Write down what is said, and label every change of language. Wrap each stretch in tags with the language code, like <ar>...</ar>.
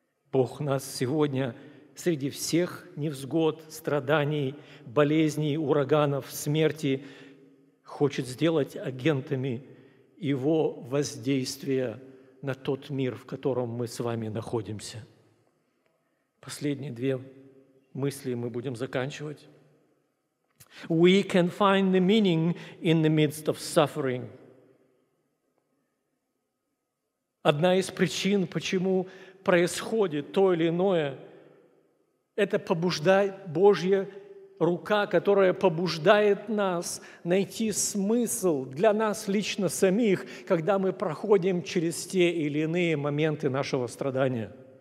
<ru>Бог нас сегодня среди всех невзгод, страданий, болезней, ураганов, смерти хочет сделать агентами Его воздействия на тот мир, в котором мы с вами находимся. Последние две мысли мы будем заканчивать.</ru> <en>We can find the meaning in the midst of suffering.</en> <ru>Одна из причин, почему происходит то или иное, это побуждает Божья рука, которая побуждает нас найти смысл для нас лично самих, когда мы проходим через те или иные моменты нашего страдания.</ru>